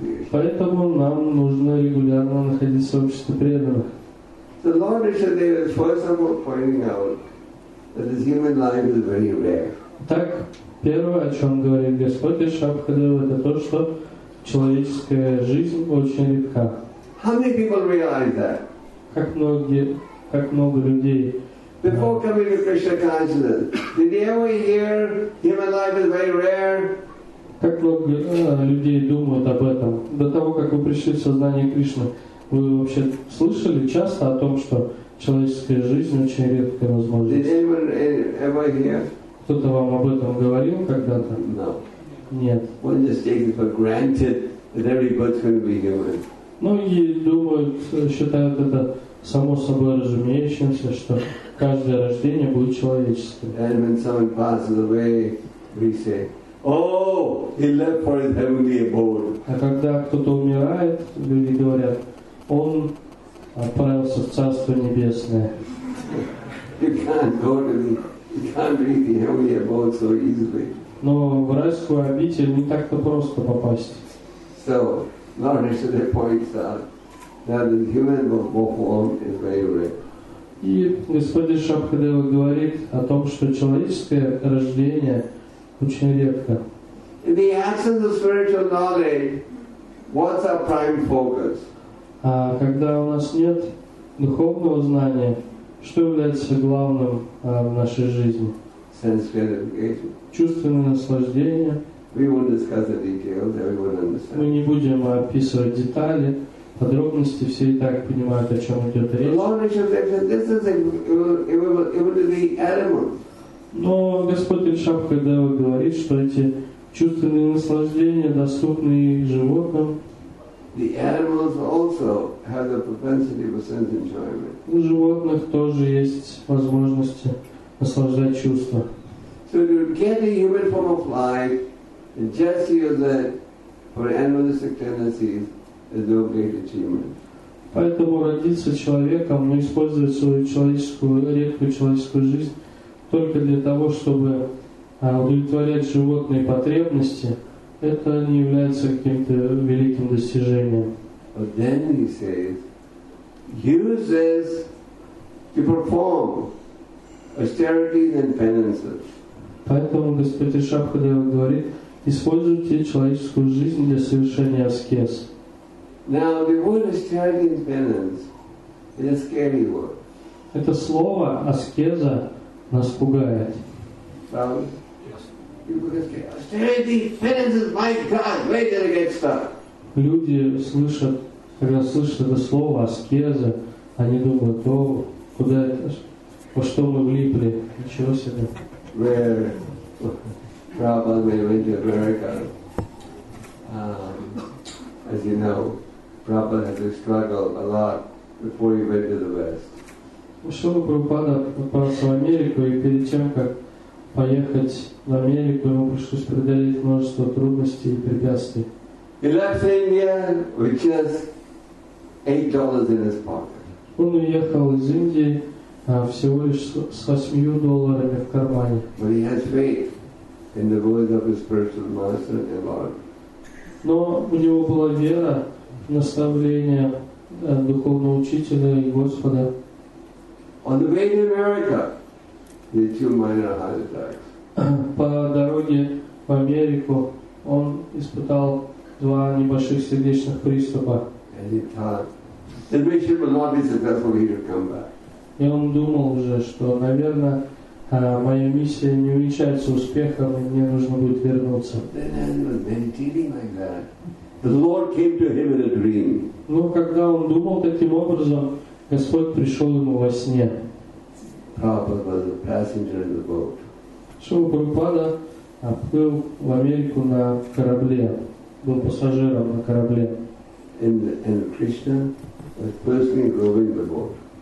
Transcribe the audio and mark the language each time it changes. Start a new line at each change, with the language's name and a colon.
Russian: Поэтому нам нужно регулярно находиться в обществе преданных.
English: The Lord Rishabhadeva is first of all pointing out that this human life is very rare.
Russian: Так, первое, о чем говорит Господь Ришабхадева, это то, что человеческая жизнь очень редка.
English: How many people realize that?
Russian: Как много людей.
English: Before coming to Krishna consciousness, did they ever hear human life is very rare?
Russian: Как много людей думают об этом до того, как вы пришли в сознание Кришны? Вы вообще слышали часто о том, что человеческая жизнь очень редкая возможность?
English: Did anyone ever hear?
Russian: Кто-то вам об этом говорил когда-то?
English: No.
Russian: Нет.
English: We're just taking for granted that everybody's going to be human.
Russian: Многие думают, считают это само собой разумеющимся, что каждое рождение будет человеческим.
English: And when someone passes away, we say, "Oh, he left for his heavenly abode."
Russian: А когда кто-то умирает, люди говорят, он отправился в Царство Небесное.
English: You can't go to the, you can't reach the heavenly abode so easily.
Russian: Но в райскую обитель не так-то просто попасть.
English: So, Lord Rishabhadeva points out that the human form is very rare.
Russian: И Господь Ришабхадева говорит о том, что человеческое рождение очень редко.
English: In the absence of spiritual knowledge, what's our prime focus?
Russian: А когда у нас нет духовного знания, что является главным в нашей жизни?
English: Sense gratification.
Russian: Чувственное наслаждение.
English: We won't discuss the details, everyone understands.
Russian: Мы не будем описывать детали, подробности, все и так понимают, о чем идет речь.
English: Lord Rishabhadeva said, this is even to the animals.
Russian: Но Господь Ришабхадева говорит, что эти чувственные наслаждения доступны и животным.
English: The animals also have the propensity for sense enjoyment.
Russian: У животных тоже есть возможности наслаждать чувства.
English: So to get a human form of life and just use that for animalistic tendencies is no great achievement.
Russian: Поэтому родиться человеком, но использовать свою человеческую, редкую человеческую жизнь только для того, чтобы удовлетворять животные потребности, это не является каким-то великим достижением.
English: But then he says, use this to perform austerities and penances.
Russian: Поэтому Господь Ришабхадева говорит, используйте человеческую жизнь для совершения аскез.
English: Now, the word austerity and penance is a scary word.
Russian: Это слово аскеза нас пугает. Люди слышат, когда слышат это слово аскеза, они думают, о, куда это, во что мы влипли, ничего себе.
English: Where Prabhupada went to America, as you know, Prabhupada had to struggle a lot before he went to the West.
Russian: Ушел Прабхупада попался в Америку и перед тем как поехать в Америку, ему пришлось преодолеть множество трудностей и препятствий.
English: He left India with just $8 in his pocket.
Russian: Он уехал из Индии всего лишь с $8 в кармане.
English: But he has faith in the voice of his spiritual master and Lord.
Russian: Но у него была вера в наставление духовного учителя и Господа.
English: On the way to America, he had 2 minor heart attacks.
Russian: По дороге в Америку он испытал 2 небольших сердечных приступа. И он думал уже, что, наверное, моя миссия не увенчается успехом, и мне нужно будет вернуться.
English: Then he was meditating like that. The Lord came to him in a dream.
Russian: Но когда он думал таким образом, Господь пришел ему во сне.
English: Prabhupada was a passenger in the boat.
Russian: Шрила Прабхупада отплыл в Америку на корабле, был пассажиром на корабле.
English: And Krishna was personally rowing the boat.